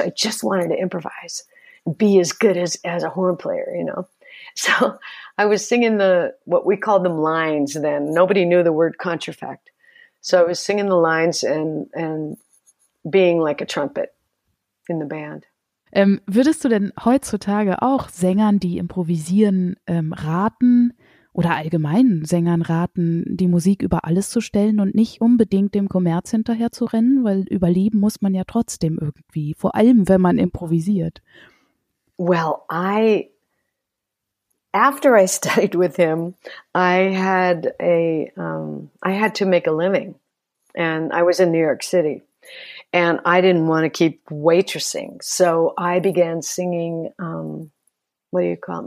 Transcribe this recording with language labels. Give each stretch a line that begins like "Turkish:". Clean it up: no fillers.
English: I just wanted to improvise, be as good as a horn player, you know. So I was singing the, what we called them, lines then. Nobody knew the word contrafact. So I was singing the lines and being like a trumpet in the band.
German: Würdest du denn heutzutage auch Sängern, die improvisieren, raten, oder allgemeinen Sängern raten, die Musik über alles zu stellen und nicht unbedingt dem Kommerz hinterher zu rennen? Weil überleben muss man ja trotzdem irgendwie, vor allem wenn man improvisiert.
English: Well, after I studied with him, I had to make a living, and I was in New York City, and I didn't want to keep waitressing. So I began singing, what do you call it?